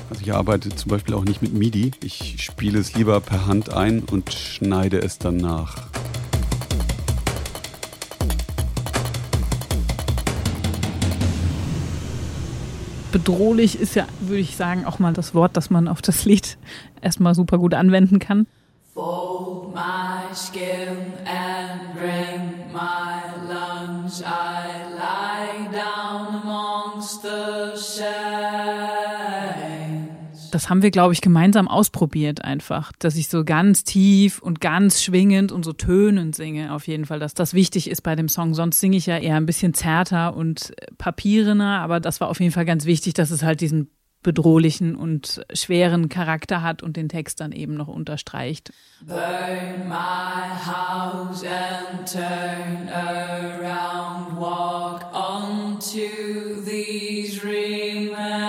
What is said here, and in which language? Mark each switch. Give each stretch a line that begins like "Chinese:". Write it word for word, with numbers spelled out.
German: also ich arbeite zum Beispiel auch nicht mit MIDI. Ich spiele es lieber per Hand ein und schneide es dann nach. Bedrohlich ist ja, würde ich sagen, auch mal das Wort, das man auf das Lied erstmal super gut anwenden kann.
English: Fold my skin and bring my lungs. I lie down amongst the sands.
German: Das haben wir, glaube ich, gemeinsam ausprobiert einfach, dass ich so ganz tief und ganz schwingend und so tönend singe auf jeden Fall, dass das wichtig ist bei dem Song. Sonst singe ich ja eher ein bisschen zärter und papierener, aber das war auf jeden Fall ganz wichtig, dass es halt diesen bedrohlichen und schweren Charakter hat und den Text dann eben noch unterstreicht.
English: Burn my house and turn around, walk onto these remains.